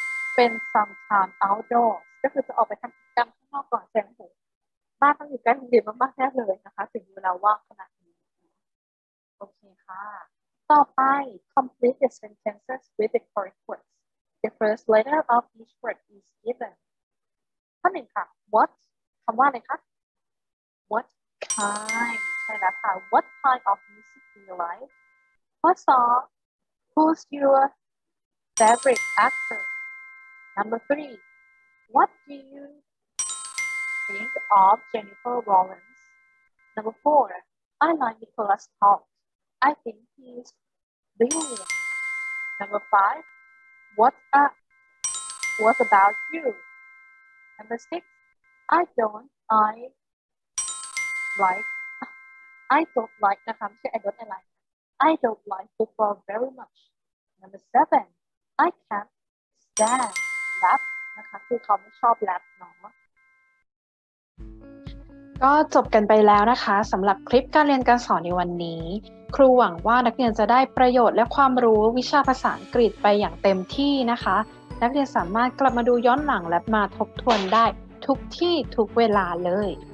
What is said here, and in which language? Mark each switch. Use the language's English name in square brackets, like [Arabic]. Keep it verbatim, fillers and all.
[English] spend some time outdoors [Thai] ก็คือจะออกไปทำกิจกรรมข้างนอกก่อนแสงถึงบ้านต้องอยู่ใกล้โรงเรียนมากๆแน่เลยนะคะถึงเวลาว่างขนาดนี้โอเคค่ะต่อไป [English] complete the sentences with the correct words the first letter of each word is given [Thai] ข้อหนึ่งค่ะ what คำว่าอะไรคะ [English] What kind ใช่แล้วค่ะ What kind of music do you like? What song? Who's your favorite actor? Number three, what do you think of Jennifer Lawrence? Number four, I like Nicholas Hoult. I think he's brilliant. Number five, What's up? What about you? Number six. I don't. I like. I don't like. [Thai] นะคะไม่ใช่ [English] I don't like. I don't like football very much. Number seven. I can't stand rap. [Thai] นะคะคือเขาไม่ชอบ rap เนาะก็จบกันไปแล้วนะคะสำหรับคลิปการเรียนการสอนในวันนี้ครูหวังว่านักเรียนจะได้ประโยชน์และความรู้วิชาภาษาอังกฤษไปอย่างเต็มที่นะคะนักเรียนสามารถกลับมาดูย้อนหลังและมาทบทวนได้ทุกที่ทุกเวลาเลย